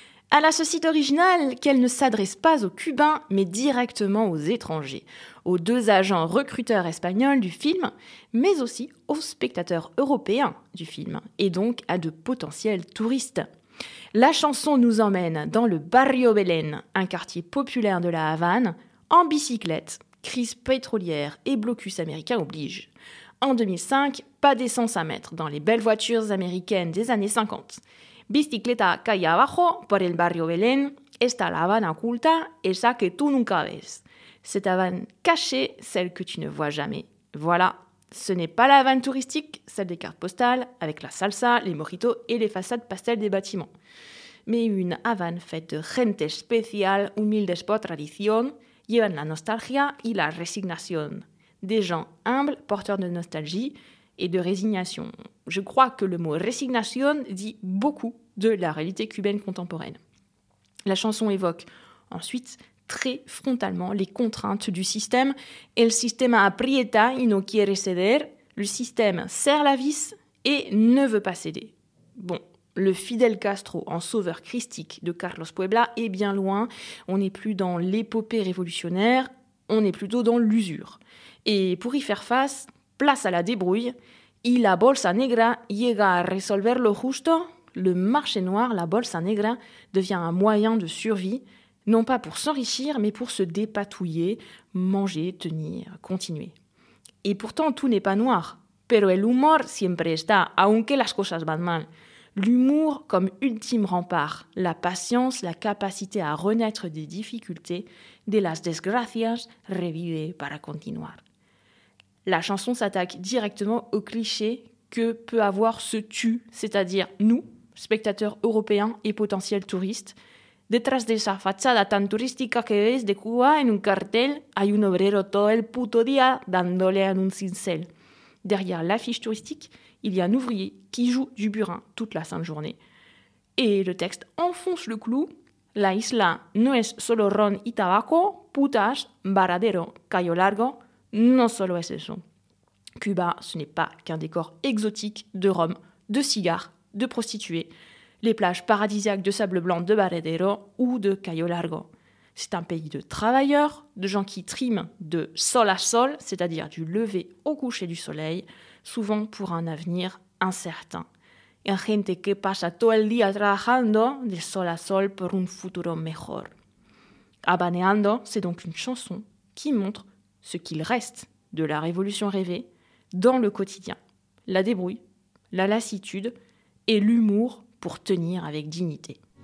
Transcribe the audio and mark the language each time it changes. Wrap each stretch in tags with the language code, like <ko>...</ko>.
<fr>À la suite originale, qu'elle ne s'adresse pas aux Cubains, mais directement aux étrangers, aux deux agents recruteurs espagnols du film, mais aussi aux spectateurs européens du film, et donc à de potentiels touristes. La chanson nous emmène dans le Barrio Belén, un quartier populaire de la Havane, en bicyclette, crise pétrolière et blocus américain oblige. En 2005, pas d'essence à mettre dans les belles voitures américaines des années 50.</fr> <es>Bicicleta calle abajo por el barrio Belén, esta la Habana oculta, esa que tú nunca ves.</es> <fr>Cette Havane cachée, celle que tu ne vois jamais. Voilà, ce n'est pas la Havane touristique, celle des cartes postales, avec la salsa, les mojitos et les façades pastel des bâtiments. Mais une Havane faite de</fr> <es>gente especial, humildes por tradición, llevan la nostalgia y la resignación.</es> <fr>Des gens humbles, porteurs de nostalgie et de résignation. Je crois que le mot « resignation » dit beaucoup de la réalité cubaine contemporaine. La chanson évoque ensuite très frontalement les contraintes du système. «</fr> <es>El sistema aprieta y no quiere ceder</es> <fr>», le système serre la vis et ne veut pas céder. Bon, le Fidel Castro en sauveur christique de Carlos Puebla est bien loin. On n'est plus dans l'épopée révolutionnaire, on est plutôt dans l'usure. Et pour y faire face, place à la débrouille.</fr> <es>Y la bolsa negra llega a resolver lo justo.</es> <fr>Le marché noir, la bolsa negra, devient un moyen de survie, non pas pour s'enrichir, mais pour se dépatouiller, manger, tenir, continuer. Et pourtant, tout n'est pas noir.</fr> <es>Pero el humor siempre está, aunque las cosas van mal.</es> <fr>L'humour comme ultime rempart, la patience, la capacité à renaître des difficultés,</fr> <es>de las desgracias, revive para continuar.</es> <fr>La chanson s'attaque directement au cliché que peut avoir ce tu, c'est-à-dire nous, spectateurs européens et potentiels touristes.</fr> <es>Detrás de esa fachada tan turística que ves de Cuba en un cartel, hay un obrero todo el puto día dándole a un cincel.</es> <fr>Derrière l'affiche touristique, il y a un ouvrier qui joue du burin toute la sainte journée. Et le texte enfonce le clou.</fr> <es>La isla no es solo ron y tabaco, putas, varadero, cayo largo, no solo es eso.</es> <fr>Cuba, ce n'est pas qu'un décor exotique de rhum, de cigares, de prostituées, les plages paradisiaques de sable blanc de varadero ou de cayo largo. C'est un pays de travailleurs, de gens qui triment de sol à sol, c'est-à-dire du lever au coucher du soleil, souvent pour un avenir incertain.</fr> <es>Un gente que pasa todo el día trabajando de sol a sol por un futuro mejor.</es> <fr>Habaneando, c'est donc une chanson qui montre ce qu'il reste de la révolution rêvée dans le quotidien. La débrouille, la lassitude et l'humour pour tenir avec dignité.</fr>